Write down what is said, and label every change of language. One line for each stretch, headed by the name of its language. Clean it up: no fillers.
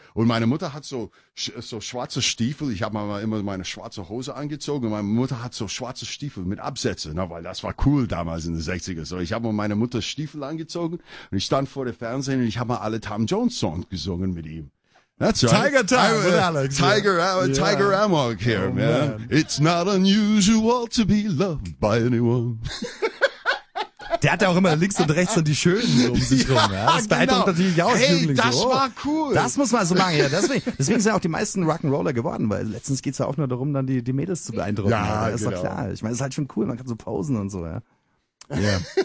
German: Und meine Mutter hat so schwarze Stiefel. Ich habe mal immer meine schwarze Hose angezogen. Und meine Mutter hat so schwarze Stiefel mit Absätze. Na, weil das war cool damals in den 60er. So, ich habe mal meine Mutter Stiefel angezogen. Und ich stand vor dem Fernsehen und ich habe mal alle Tom Jones Songs gesungen mit ihm.
English: That's right. Tiger Time with Alex. Tiger Amok here, oh, man. It's not unusual to be loved by anyone.
German: Der hat ja auch immer links und rechts und die Schönen so um sich rum. Ja, das beeindruckt genau. Natürlich auch. Hey, das war cool. Das muss man so machen. Ja, deswegen sind auch die meisten Rock'n'Roller geworden, weil letztens geht es ja auch nur darum, dann die Mädels zu beeindrucken. Ja, das ist doch klar. Ich meine, es ist halt schon cool. Man kann so posen und so. Ja.
English: Yeah.